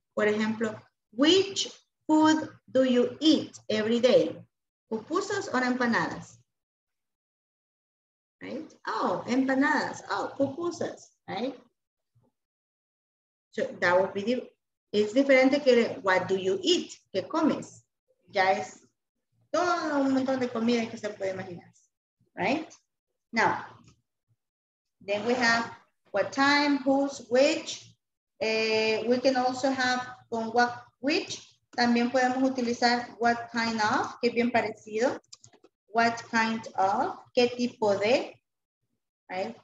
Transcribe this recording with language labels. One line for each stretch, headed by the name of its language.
Spanish: Por ejemplo,
English: which food do you eat every day?
Spanish: ¿Pupusas o empanadas?
English: Right? Oh, empanadas. Oh, pupusas. Right? So that would be the, it's different que what do you eat?
Spanish: ¿Qué comes? Ya es todo un montón de comida que se puede imaginar.
English: Right? Now, then we have what time, whose, which. We can also have con what, which.
Spanish: También podemos utilizar what kind of, que es bien parecido.
English: What kind of,
Spanish: qué tipo de.
English: Right.